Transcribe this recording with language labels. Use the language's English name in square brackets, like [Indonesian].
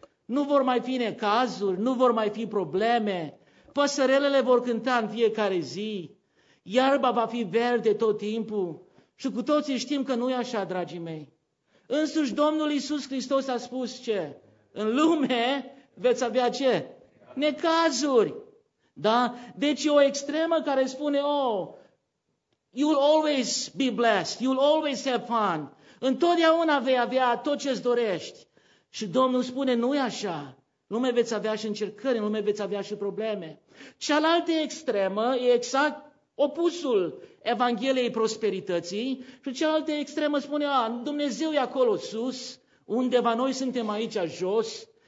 [Romanian] Nu vor mai fi necazuri, nu vor mai fi probleme, păsărelele vor cânta în fiecare zi, iarba va fi verde tot timpul. Și cu toții știm că nu e așa, dragii mei. Însuși Domnul Iisus Hristos a spus ce? În lume veți avea ce? Necazuri! Da? Deci e o extremă care spune, [English] oh, you'll always be blessed, you'll always have fun. [Romanian] Întotdeauna vei avea tot ce-ți dorești. Și Domnul spune, nu-i așa. În lume veți avea și încercări, în lume veți avea și probleme. Cealaltă extremă e exact opusul Evangheliei prosperității. Și cealaltă extremă spune, a, Dumnezeu e acolo sus, undeva noi suntem aici jos.